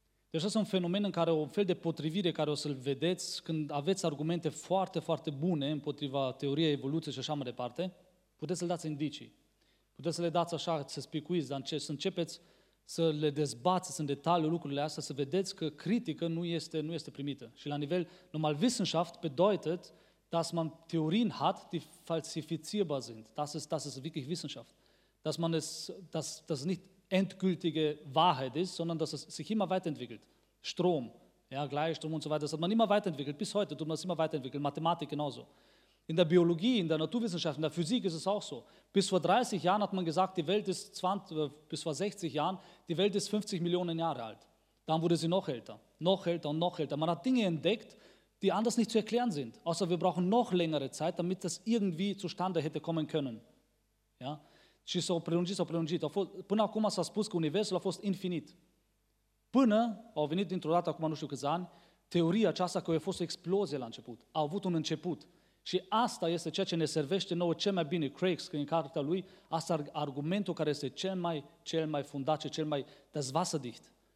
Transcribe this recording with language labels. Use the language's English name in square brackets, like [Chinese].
[Romanian] Deci asta e un fenomen în care o fel de potrivire care o să-l vedeți când aveți argumente foarte, foarte bune împotriva teoriei evoluției și așa mai departe, puteți să le dați indicii, puteți să le dați așa, să spicuiți, dar să începeți să le dezbați în detaliu lucrurile astea, să vedeți că critică nu este primită. Și la nivel normal [German] Wissenschaft bedeutet, dass man Theorien hat, die falsifizierbar sind. Das ist wirklich Wissenschaft. Dass es nicht endgültige Wahrheit ist, sondern dass es sich immer weiterentwickelt. Strom, ja, Gleichstrom und so weiter, das hat man immer weiterentwickelt. Bis heute tut man es immer weiterentwickeln. Mathematik genauso. In der Biologie, in der Naturwissenschaft, in der Physik ist es auch so. Bis vor 30 Jahren hat man gesagt, die Welt ist 20, bis vor 60 Jahren, die Welt ist 50 Millionen Jahre alt. Dann wurde sie noch älter. Man hat Dinge entdeckt, die anders nicht zu erklären sind. Außer wir brauchen noch längere Zeit, damit das irgendwie zustande hätte kommen können. [Romanian] Ja? Și s-au prelungit. Până acum s-a spus că Universul a fost infinit. Până au venit dintr-o dată, acum nu știu câți ani, teoria aceasta că a fost o explozie la început. A avut un început. Și asta este ceea ce ne servește nouă cel mai bine. Crakes, că în cartea lui, asta argumentul care este cel mai fundat, cel mai dezvasădicht.